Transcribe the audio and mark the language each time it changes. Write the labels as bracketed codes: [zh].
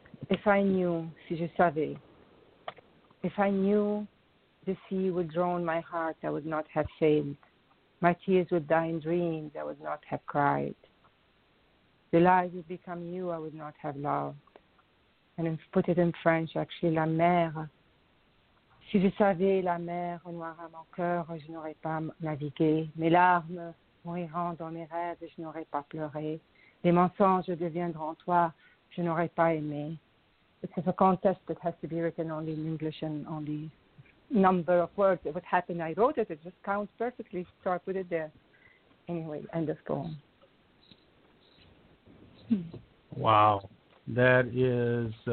[en] If I knew, [fr] si je savais, [en] if I knew the sea would drown my heart, I would not have failed. My tears would die in dreams, I would not have cried. The lies would become you, I would not have loved. And if put it in French, actually, [fr] la mer. Si je savais, la mer noira mon cœur, je n'aurais pas navigué. Mes larmes mouriront dans mes rêves, je n'aurais pas pleuré. Les mensonges deviendront toi, je n'aurais pas aimé. [en] It's a contest that has to be written only in English and only number of words. It would happen. I wrote it. It just counts perfectly. So I put it there. Anyway, end of poem. Wow. That is...